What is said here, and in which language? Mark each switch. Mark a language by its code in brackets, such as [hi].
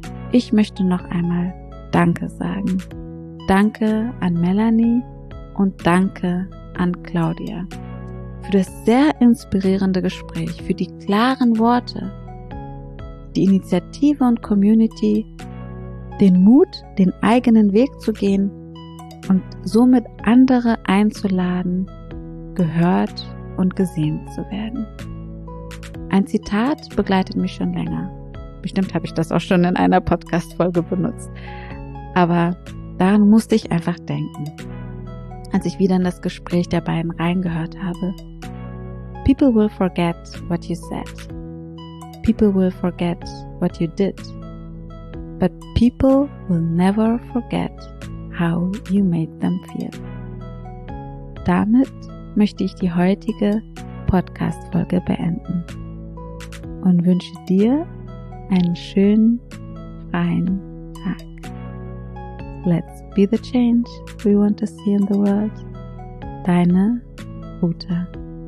[de] Ich möchte noch einmal Danke sagen. Danke an Melanie und danke an Claudia für das sehr inspirierende Gespräch, für die klaren Worte, die Initiative und Community, den Mut, den eigenen Weg zu gehen und somit andere einzuladen, gehört und gesehen zu werden. Ein Zitat begleitet mich schon länger. Bestimmt habe ich das auch schon in einer Podcast-Folge benutzt. Aber daran musste ich einfach denken, als ich wieder in das Gespräch der beiden reingehört habe. [en] People will forget what you said. People will forget what you did. But people will never forget how you made them feel. [de] Damit möchte ich die heutige Podcast-Folge beenden und wünsche dir einen schönen, freien Tag. [en] Let's be the change we want to see in the world. Deine Ruta.